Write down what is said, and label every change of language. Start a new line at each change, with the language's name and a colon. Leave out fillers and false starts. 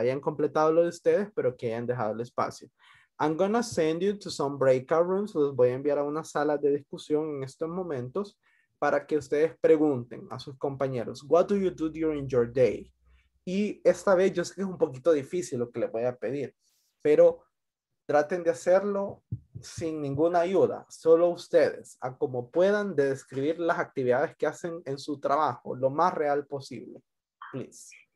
Spanish: Hayan completado lo de ustedes, pero que hayan dejado el espacio.
English: I'm gonna send you to some breakout rooms.
Spanish: Los voy a enviar a una sala de discusión en estos momentos. Para que ustedes pregunten a sus compañeros,
English: what do you do during your day?
Spanish: Y esta vez yo sé que es un poquito difícil lo que les voy a pedir, pero traten de hacerlo sin ninguna ayuda, solo ustedes, a como puedan, de describir las actividades que hacen en su trabajo, lo más real posible, please.